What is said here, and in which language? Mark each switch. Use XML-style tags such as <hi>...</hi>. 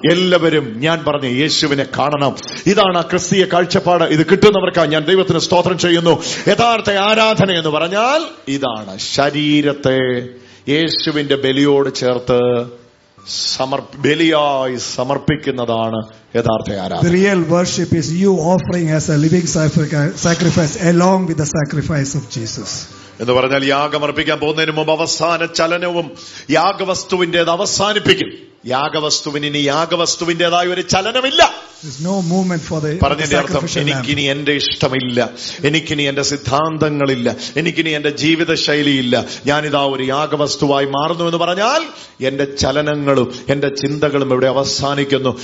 <ml>എല്ലാവരും ഞാൻ പറഞ്ഞ യേശുവിനെ കാണണം. ഇതാണ് ആ ക്രിസ്തീയ കാഴ്ചപ്പാട്. ഇത് കിട്ടുന്നവർക്കാ ഞാൻ ദൈവത്തിന് സ്തോത്രം ചെയ്യുന്നു. യഥാർത്ഥ ആരാധന എന്ന് പറഞ്ഞാൽ ഇതാണ്, ശരീരത്തെ യേശുവിന്റെ ബലിയോട് ചേർത്ത് ബലിയായി സമർപ്പിക്കുന്നതാണ് യഥാർത്ഥ ആരാധന.</ml> <en>The real worship is you offering as a living sacrifice along with the sacrifice of Jesus.</en> <ml>എന്ന് പറഞ്ഞാൽ യാഗം അർപ്പിക്കാൻ പോകുന്നതിന് മുമ്പ് അവസാന ചലനവും യാഗവസ്തുവിന്റേത് അവസാനിപ്പിക്കും. യാഗവസ്തുവിന് ഇനി യാഗവസ്തുവിന്റേതായ ഒരു ചലനമില്ല. പറഞ്ഞതിന്റെ അർത്ഥം എനിക്കിനി എന്റെ ഇഷ്ടമില്ല, എനിക്കിനി എന്റെ സിദ്ധാന്തങ്ങളില്ല, എനിക്കിനി എന്റെ ജീവിതശൈലിയില്ല, ഞാനിതാ ഒരു യാഗവസ്തുവായി മാറുന്നു എന്ന് പറഞ്ഞാൽ എന്റെ ചലനങ്ങളും എന്റെ ചിന്തകളും ഇവിടെ അവസാനിക്കുന്നു.</ml>